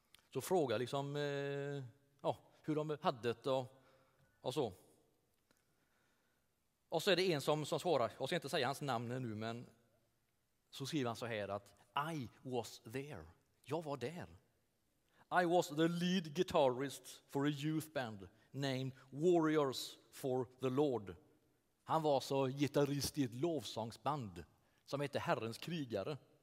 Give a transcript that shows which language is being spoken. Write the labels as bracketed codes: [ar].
[sv] Så frågar liksom hur de hade det och så. Och så är det en som svarar, jag ska inte säga hans namn nu, men så skriver han så här att [en] I was there. [sv] Jag var där. [en] I was the lead guitarist for a youth band named Warriors for the Lord. [sv] Han var så gitarrist i ett lovsångsband som heter Herrens krigare.